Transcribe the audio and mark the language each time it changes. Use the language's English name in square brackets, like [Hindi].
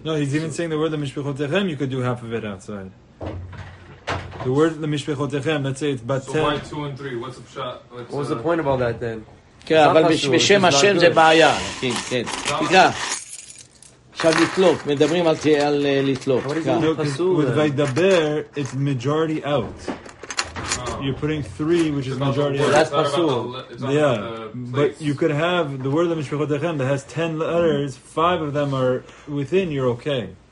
[English] No, he's even saying the word למשפחותיכם, you could do half of it outside. The word למשפחותיכם, let's say it's בת 10. So why 2 and 3? What's the shot? Like, what was the point about that then? [Hebrew] כן, אבל בשם השם זה בעיה. כן, כן. תקרא. עכשיו לתלוק, מדברים על לתלוק. [English] What is it? With וידבר, it's majority out. You're putting 3, which is majority out. [Hebrew] That's פסול. [English] Yeah. But you could have the word למשפחותיכם that has 10 letters, 5 of them are within, you're okay.